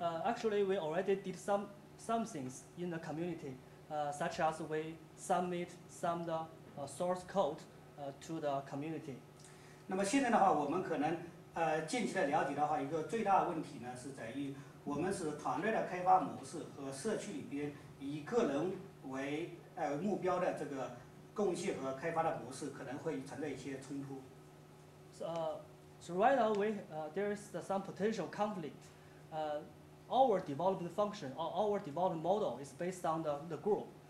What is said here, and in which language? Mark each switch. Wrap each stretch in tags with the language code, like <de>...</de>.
<en>Actually, we already did some things in the community, such as we submit some the source code. To the community.</en> <zh>那么现在的话，我们可能近期的了解的话，一个最大的问题呢，是在于我们是团队的开发模式和社区里边以个人为目标的这个贡献和开发的模式可能会存在一些冲突。</zh> <en>So right now, there is some potential conflict. Our development function, or our development model is based on the group.</en>